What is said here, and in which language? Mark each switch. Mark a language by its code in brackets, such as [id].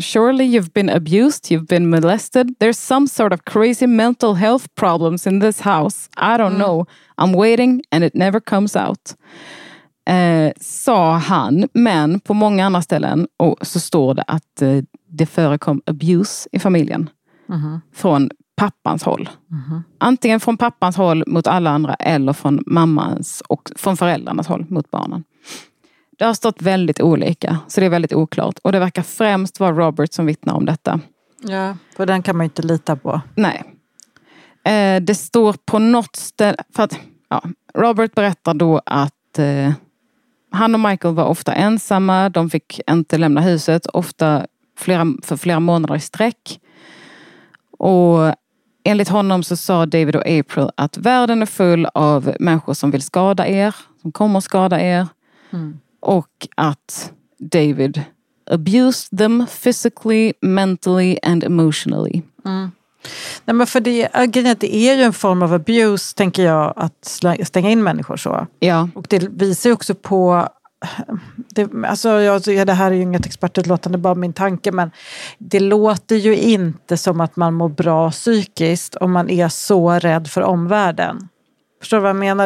[en] Surely you've been abused, you've been molested. There's some sort of crazy mental health problems in this house. I don't know. I'm waiting and it never comes out. [sv] Sa han, men på många andra ställen så står det att det förekom abuse i familjen från pappans håll. Antingen från pappans håll mot alla andra eller från mammans och från föräldrarnas håll mot barnen. Det har stått väldigt olika, så det är väldigt oklart. Och det verkar främst vara Robert som vittnar om detta. Ja, för den kan man ju inte lita på. Nej. Det står på något ställe, för att ja, Robert berättar då att han och Michael var ofta ensamma. De fick inte lämna huset. Ofta för flera månader i sträck. Och enligt honom så sa David och April att världen är full av människor som vill skada er. Som kommer att skada er. Mm. Och att David [en] abused them physically, mentally and emotionally. Mm. [sv] Nej, men för det är ju en form av abuse, tänker jag, att stänga in människor så. Ja. Och det visar ju också på... det här är ju inget expertutlåtande, bara min tanke, men det låter ju inte som att man mår bra psykiskt om man är så rädd för omvärlden. Förstår du vad jag menar?